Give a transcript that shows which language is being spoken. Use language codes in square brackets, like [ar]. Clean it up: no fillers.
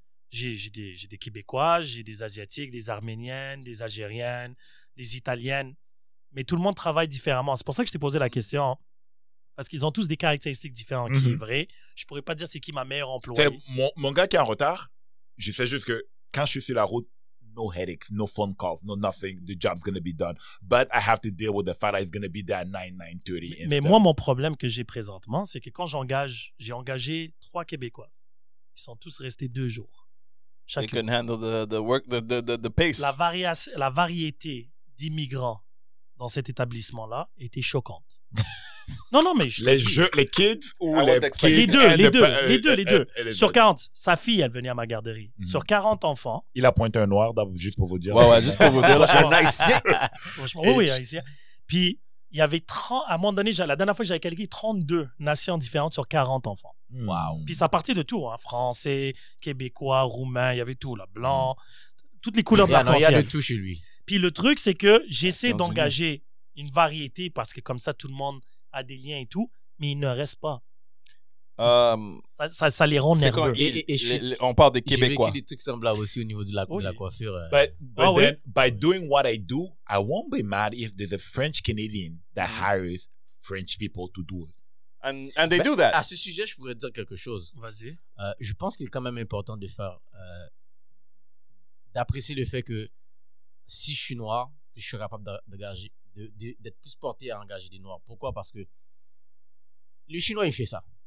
[fr] J'ai des Québécois, j'ai des Asiatiques, des Arméniennes, des Algériennes, des Italiennes. Mais tout le monde travaille différemment. C'est pour ça que je t'ai posé la question. Parce qu'ils ont tous des caractéristiques différentes, qui est vrai. Je pourrais pas dire c'est qui ma meilleure employée. Mon gars qui est en retard, je sais juste que quand je suis sur la route, [en] no headaches, no phone calls, no nothing. The job's going to be done. But I have to deal with the fact that it's going to be there at 9:30. [fr] Mais moi, mon problème que j'ai présentement, c'est que quand j'ai engagé 3 Québécoises. Ils sont tous restés 2 jours. [en] Chacune. They can handle the work, the pace. [fr] La variété d'immigrants dans cet établissement-là était choquante. Non, mais je... Les deux. Sur 40, sa fille, elle venait à ma garderie. Mm-hmm. Sur 40 enfants... Il a pointé un noir, juste pour vous dire. Ouais, juste pour vous dire. Je suis un haïtien. Oui, haïtien. Puis, il y avait 30... À un moment donné, la dernière fois que j'avais calculé, 32 nations différentes sur 40 enfants. Wow. Puis, ça partait de tout. Hein, français, québécois, roumain, il y avait tout. Là, blanc, toutes les couleurs de l'arc-en-ciel. Il y a de tout chez lui. Puis le truc, c'est que j'essaie d'engager une variété parce que comme ça, tout le monde a des liens et tout, mais ils ne restent pas. Ça les rend nerveux. On parle des Québécois. J'ai vécu des trucs semblables aussi au niveau de la coiffure. [en] By doing what I do, I won't be mad if there's a French Canadian that hires French people to do it. And they do that. [fr] À ce sujet, je pourrais dire quelque chose. Vas-y. Je pense qu'il est quand même important de faire... d'apprécier le fait que si je suis noir, je suis capable d'être plus porté à engager des noirs. Pourquoi? Parce que le chinois, il fait ça.